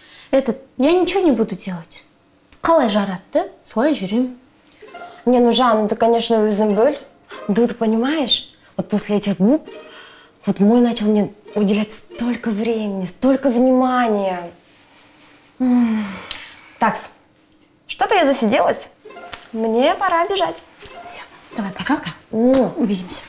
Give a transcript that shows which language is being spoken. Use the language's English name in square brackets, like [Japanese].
[Russian] Этот, я ничего не буду делать. [Kazakh] Қалай жаратты, солай жүрем. [Russian] Не, ну Жан, ты, конечно, [Kazakh] өзің бөл. [Russian] Да ты понимаешь, вот после этих губ, вот мой начал мне уделять столько времени, столько внимания. Так, что-то я засиделась. Мне пора бежать. Все, давай, пока-пока. Увидимся.